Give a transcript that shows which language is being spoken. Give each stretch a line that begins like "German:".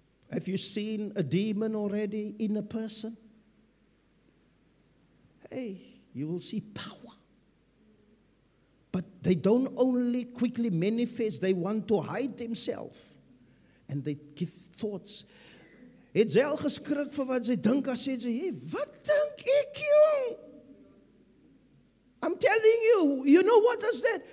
English: Have you seen a demon already in a person? Hey, you will see power. But they don't only quickly manifest, they want to hide themselves. And they give thoughts.
Afrikaans: Het jy al geskrik vir wat jy dink as jy sê, hey, wat dink ek, jong?
English: I'm telling you, you know what is that?